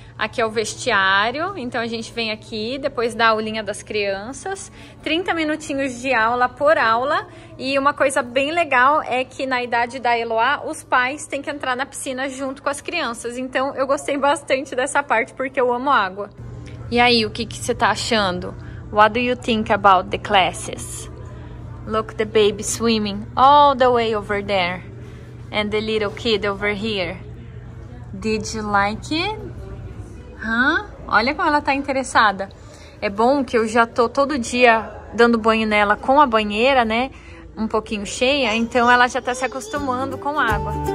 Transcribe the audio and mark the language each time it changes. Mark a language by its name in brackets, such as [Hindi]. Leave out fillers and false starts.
[Portuguese] Aqui é o vestiário, então a gente vem aqui, depois da aulinha das crianças. 30 minutinhos de aula por aula. E uma coisa bem legal é que na idade da Eloá, os pais têm que entrar na piscina junto com as crianças. Então eu gostei bastante dessa parte, porque eu amo água. E aí, o que que você tá achando? [English] What do you think about the classes? Look, the baby swimming all the way over there. And the little kid over here. Did you like it? Huh? [Portuguese] Olha como ela tá interessada. É bom que eu já tô todo dia dando banho nela com a banheira, né? Um pouquinho cheia, então ela já tá se acostumando com água.